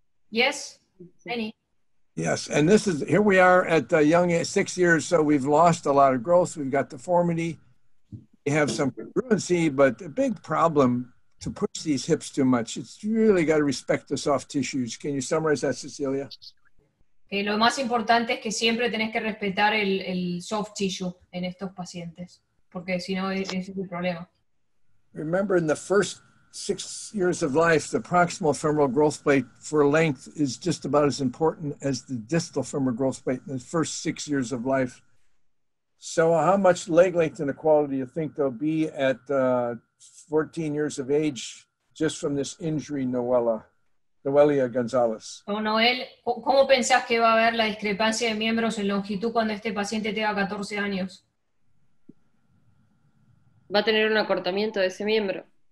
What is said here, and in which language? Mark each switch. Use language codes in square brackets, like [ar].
[en] Yes, many. Yes, and this is, here we are at a young age, 6 years, so we've lost a lot of growth. We've got deformity. We have some congruency, but a big problem to push these hips too much. It's really got to respect the soft tissues. Can you summarize that, Cecilia? [es] Okay, lo más importante es que siempre tenés que respetar el [en] soft tissue [es] en estos pacientes, porque si no, ese es el problema. [en] Remember, in the first 6 years of life, the proximal femoral growth plate for length is just about as important as the distal femoral growth plate in the first 6 years of life. So how much leg length inequality do you think there'll be at 14 years of age, just from this injury, Noelia Gonzalez. [es] Oh, Noel, ¿cómo pensás que va a haber la discrepancia de miembros en longitud cuando este paciente tenga 14 años? Va a tener un acortamiento de ese miembro.